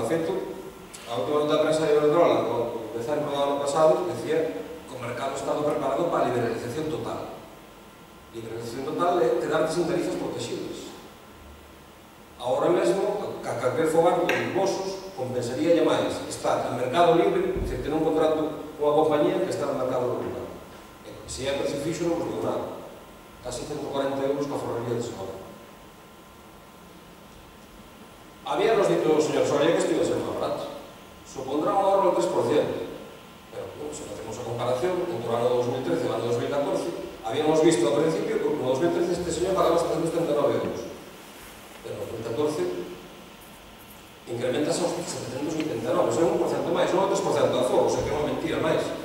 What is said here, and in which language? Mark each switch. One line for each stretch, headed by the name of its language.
Galician: De feito, a última nota de prensa de Iberdrola, no decembro do ano pasado, decía que o mercado estaba preparado para a liberalización total. Liberalización total é quedarte sin tarifas protegidas. Ahora mesmo, a calquer fogar con os mozos, compensaría ya máis estar en mercado libre, se ten un contrato cunha compañía que está no mercado regulado. Se é preciso fixo, non vos digo nada. Casi 140 euros que aforraría de seguro. Había nos dito o señor Soria que estivese máis barato.
Spanish: Supondrá un ahorro del 3%.
Galician: Pero, bueno, se facemos a comparación, entre o ano 2013 e o ano 2014, habíamos visto ao principio que no 2013 este señor pagaba 739 euros. Pero no 2014 incrementa aos 789, son 1% máis, non o 3% de aforro, o sea que é unha mentira máis.